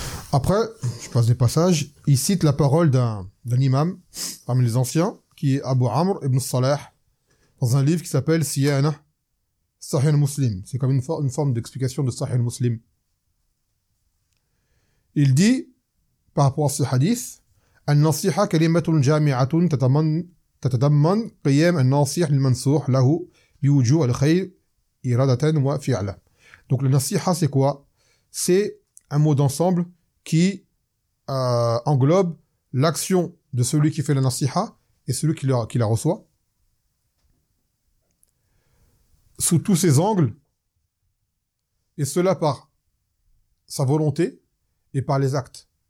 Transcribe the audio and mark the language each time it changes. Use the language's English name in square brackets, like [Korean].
[French] Après, je passe des passages, il cite la parole d'un imam parmi les anciens, qui est Abu Amr ibn Salah, dans un livre qui s'appelle Siyana Sahih al-Muslim. C'est comme une forme d'explication de Sahih al-Muslim. Il dit, par rapport à ce hadith, [Arabic] النصيحة كلمة جامعة تتضمن قيام النصيح للمنصوح له بوجوه الخير إرادة وفعلة. [French] Donc la nasiha c'est quoi? C'est un mot d'ensemble qui englobe l'action de celui qui fait la nasiha et celui qui la reçoit sous tous ses angles, et cela par sa volonté et par les actes.